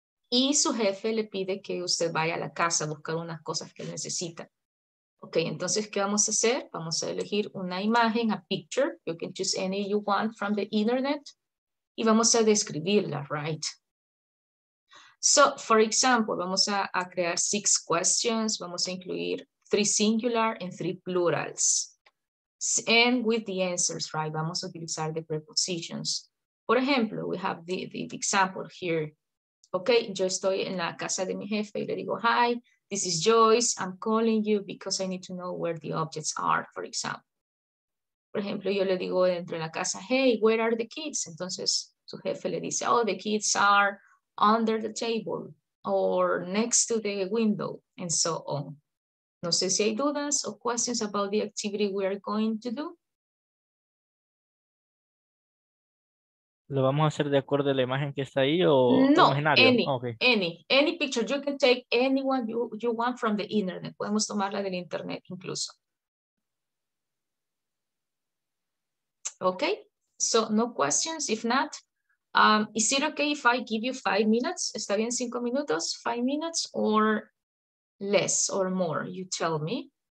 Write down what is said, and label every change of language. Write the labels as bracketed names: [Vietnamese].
[Spanish] y su jefe le pide que usted vaya a la casa a buscar unas cosas que necesita. Ok, entonces, ¿qué vamos a hacer? Vamos a elegir una imagen, [English] a picture. You can choose any you want from the internet. [Spanish] Y vamos a describirla, [English] right? So, for example, [Spanish] vamos a crear 6 questions. Vamos a incluir 3 [English] singular and 3 plurals. And with the answers, right? [Spanish] Vamos a utilizar [English] the prepositions. [Spanish] Por ejemplo, [English] we have the example here. [Spanish] Ok, yo estoy en la casa de mi jefe y le digo, [English] hi, this is Joyce. I'm calling you because I need to know where the objects are, for example. [Spanish] Por ejemplo, yo le digo dentro de la casa, [English] hey, where are the kids? [Spanish] Entonces, su jefe le dice, [English] oh, the kids are under the table or next to the window and so on. [Spanish] No sé si hay dudas o [English] questions about the activity we are going to do. [Spanish] ¿Lo vamos a hacer de acuerdo a la imagen que está ahí o no, imaginario? [English] Any, okay. any picture. You can take anyone you want from the internet. [Spanish] Podemos tomarla del internet incluso. [English] Okay, so no questions. If not, is it okay if I give you 5 minutes? [Spanish] ¿Está bien 5 minutos? [English] 5 minutes or less or more? You tell me.